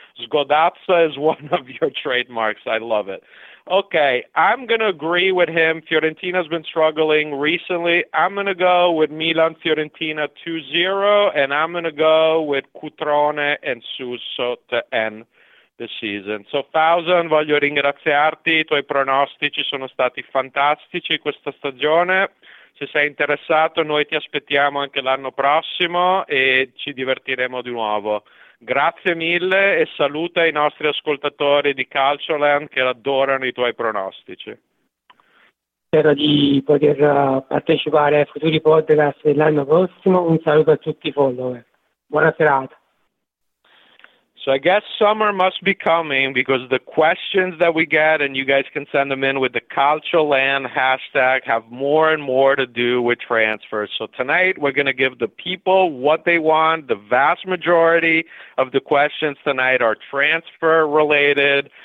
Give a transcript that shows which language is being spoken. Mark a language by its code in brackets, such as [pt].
[en] Sgodazza is one of your trademarks. I love it. Okay, I'm going to agree with him. Fiorentina's been struggling recently. I'm going to go with Milan-Fiorentina 2-0, and I'm going to go with Cutrone and Suso to end the season. [it] So Thousand, voglio ringraziarti, i tuoi pronostici sono stati fantastici questa stagione. Se sei interessato, noi ti aspettiamo anche l'anno prossimo e ci divertiremo di nuovo. Grazie mille e saluta i nostri ascoltatori di Calcioland che adorano i tuoi pronostici. Spero di poter partecipare ai futuri podcast dell'anno prossimo. Un saluto a tutti i follower. Buona serata. [en] So I guess summer must be coming because the questions that we get, and you guys can send them in with the CalcioLand hashtag, have more and more to do with transfers. So tonight we're going to give the people what they want. The vast majority of the questions tonight are transfer related.